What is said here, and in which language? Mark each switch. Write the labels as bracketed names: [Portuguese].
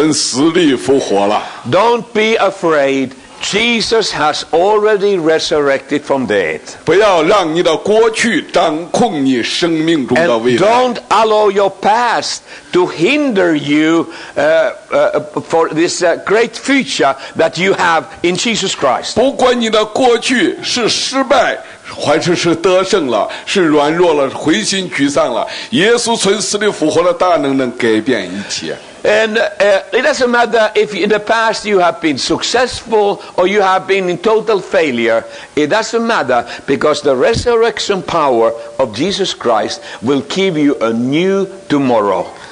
[Chinese] 不要怕，耶稣爱你，他已经从死里复活了。 [English] Don't be afraid. Jesus has already resurrected from dead. [Chinese] 不要让你的过去掌控你生命中的未来。 [English] And don't allow your past to hinder you for this great future that you have in Jesus Christ. [Chinese] 不管你的过去是失败。还是是得胜了，是软弱了，灰心沮丧了。耶稣从死里复活的大能能改变一切。 [English] And it doesn't matter if in the past you have been successful or you have been in total failure. It doesn't matter, because the resurrection power of Jesus Christ will give you a new tomorrow.